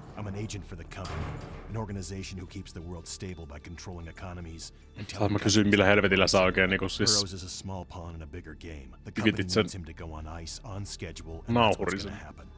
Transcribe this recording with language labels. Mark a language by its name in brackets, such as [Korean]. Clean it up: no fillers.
[English] I'm an agent for the company, an organization who keeps the world stable by controlling economies. [Finnish] Tää mä kysyin, millä helvetillä saa oikein niinku siis... [English] Burroughs is a small pawn in a bigger game. The company needs him to go on ice, on schedule, and that's what's gonna happen.